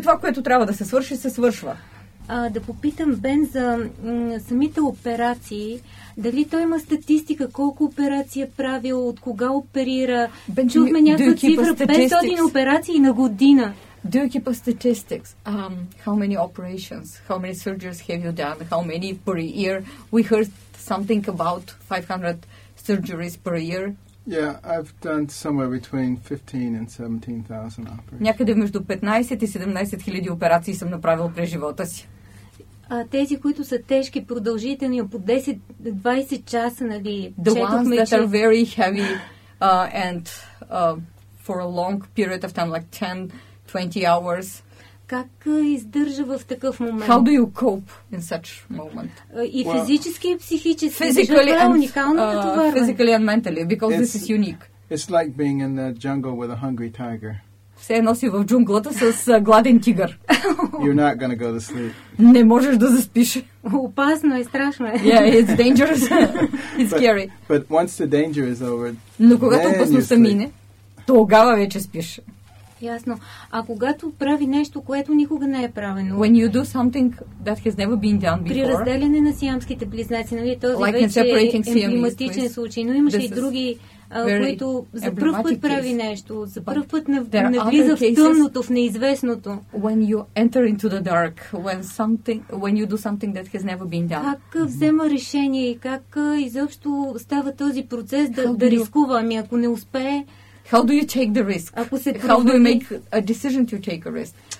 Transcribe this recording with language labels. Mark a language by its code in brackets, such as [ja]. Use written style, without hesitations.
[bg] Това, което трябва да се свърши, се свършва. Да попитам Бен за самите операции. Дали той има статистика, колко операция правил, от кога оперира? Бен, чухме някаква цифра, 500 операции на година. [en] Do you keep a statistics? How many operations, how many surgeries have you done, how many per year? We heard something about 500 surgeries per year. Yeah, I've done somewhere between 15 and 17,000 operations. [bg] Някъде между 15 и 17 000 операции съм направил през живота си. Тези, които са тежки, продължителни, по 10-20 часа, нали? [en] The ones that are very heavy and for a long period of time, like 10-20 hours. [bg] Как издържа в такъв момент? [en] How do you cope in such moment? [bg] И физически, и психически. [en] Physically and mentally, because this is unique. It's like being in the jungle with a hungry tiger. [bg] Все едно си в джунглата с гладен тигър. [en] You're not gonna go to sleep. [bg] Не можеш да заспиш. Опасно е, страшно е. [en] Yeah, it's dangerous. It's scary. But once the danger is over, [bg] но когато опасността мине, тогава вече спиш. Ясно. А когато прави нещо, което никога не е правено. [en] When you do something that has never been done before. [bg] При разделяне на сиамските близнаци, нали, този like вече е емблематичен случай, но имаше и други които за пръв път прави нещо, за пръв път навлиза в тъмното, в неизвестното. [en] When you enter into the dark, when you do something that has never been done. [bg] Как взема решение и как изобщо става този процес да рискува, ами ако не успее. [en] How do you take the risk? How do you make a decision to take a risk?